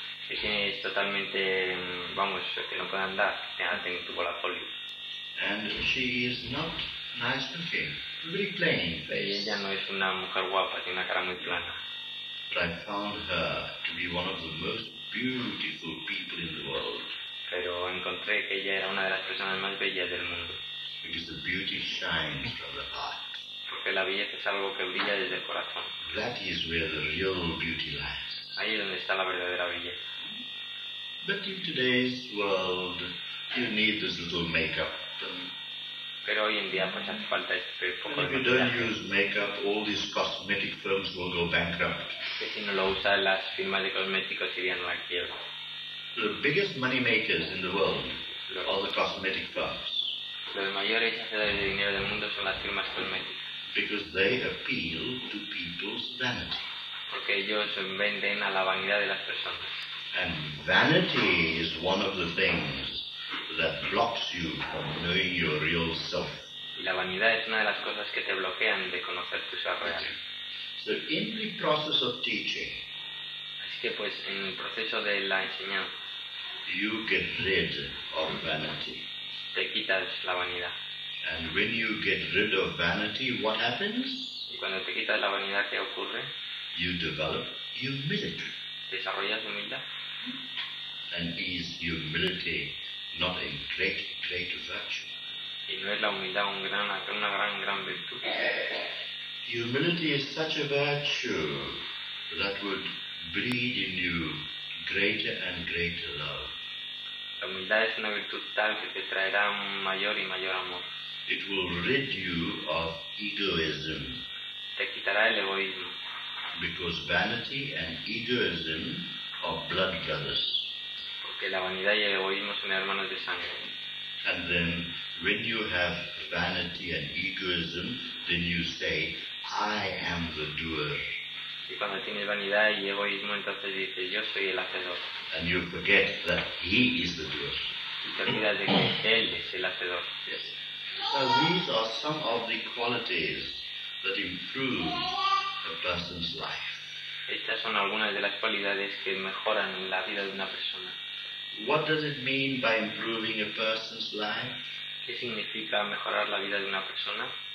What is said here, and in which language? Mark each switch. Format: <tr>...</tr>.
<es>Que es totalmente, vamos, que no puede andar, tuvo la polio.</es> <en>And she is not nice looking. Very plain face.</en> <es>Y ella no es una mujer guapa, tiene una cara muy plana.</es> <en>But I found her to be one of the most beautiful people in the world.</en> <es>Pero encontré que ella era una de las personas más bellas del mundo.</es> <en>Because the beauty shines from the heart.</en> <es>Porque la belleza es algo que brilla desde el corazón.</es> <en>That is where the real beauty lies.</en> <es>Ahí es donde está la verdadera belleza.</es> <en>But in today's world, you need this little makeup.</en> <es>Pero hoy en día pues hace falta este poco de maquillaje.</es> <en>If you don't use makeup, all these cosmetic firms will go bankrupt.</en> <es>Que si no lo usan las firmas de cosméticos irían a la quiebra.</es> <en>The biggest money makers in the world are the cosmetic firms.</en> <es>Los mayores hacedores de dinero del mundo son las firmas cosméticas.</es> <en>Because they appeal to people's vanity.</en> <es>Porque ellos venden a la vanidad de las personas.</es> <en>And vanity is one of the things that blocks you from knowing your real self.</en> <es>Y la vanidad es una de las cosas que te bloquean de conocer tu ser real.</es> <en>So in the process of teaching,</en> <es>así que pues en el proceso de la enseñanza,</es> <en>you get rid of vanity.</en> <es>Te quitas la vanidad.</es> <en>And when you get rid of vanity, what happens?</en> <es>Y cuando te quitas la vanidad, ¿qué ocurre?</es> <en>You develop humility.</en> <es>Desarrollas humildad.</es> <en>And is humility not a great, great virtue?</en> <es>Y no es la humildad una gran virtud.</es> <en>Humility is such a virtue that would breed in you greater and greater love.</en> <es>La humildad es una virtud tal que te traerá mayor y mayor amor.</es> <en>It will rid you of egoism.</en> <es>Te quitará el egoísmo.</es> <en>Because vanity and egoism are blood brothers.</en> <es>Porque la vanidad y el egoísmo son hermanos de sangre.</es> <en>And then, when you have vanity and egoism, then you say, I am the doer.</en> <es>Y cuando tienes vanidad y egoísmo, entonces dices, yo soy el hacedor.</es> <en>and you forget that he is the doer. Yes. So these are some of the qualities that improve a person's life.</en> <es>Estas son algunas de las cualidades que mejoran la vida de una persona.</es> <en>What does it mean by improving a person's life?</en> <es>¿Qué significa mejorar la vida de una persona?</es>